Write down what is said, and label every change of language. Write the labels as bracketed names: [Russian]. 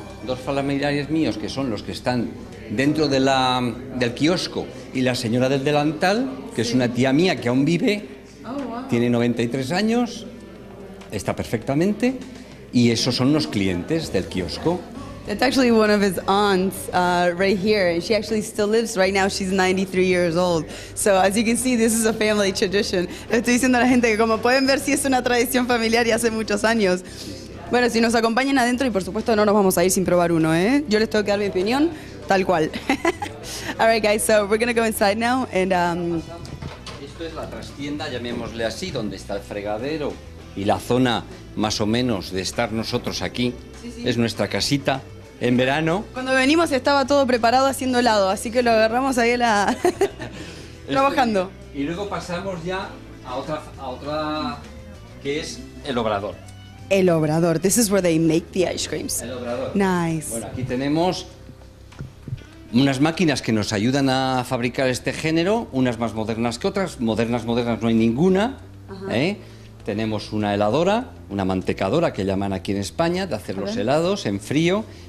[Spanish] Dos familiares míos que son los que están dentro de la, del kiosco, y la señora del delantal, que sí. Es una tía mía que aún vive, [English] oh, wow. [Spanish] Tiene 93 años, está perfectamente, y esos son los clientes del kiosco. [English] It's actually one of his aunts right here, and she actually still lives right now. She's 93 years old. So as you can see, this is a family tradition. [Spanish] Estoy diciendo a la gente que como pueden ver, sí es una tradición familiar y hace muchos años. Bueno, si nos acompañan adentro, y por supuesto no nos vamos a ir sin probar uno, ¿eh? Yo les tengo que dar mi opinión, tal cual. [English] All right, guys, so we're going to go inside now. And [Spanish] esto es la trastienda, llamémosle así, donde está el fregadero y la zona más o menos de estar nosotros aquí. Sí, sí. Es nuestra casita en verano. Cuando venimos estaba todo preparado haciendo helado, así que lo agarramos ahí a la... trabajando. Y luego pasamos ya a otra que es el obrador. El obrador, [English] this is where they make the ice creams. [Spanish] El obrador. [English] Nice. [Spanish] Bueno, aquí tenemos unas máquinas que nos ayudan a fabricar este género, unas más modernas que otras. Modernas no hay ninguna. Uh-huh. Tenemos una heladora, una mantecadora que llaman aquí en España, de hacer los helados en frío.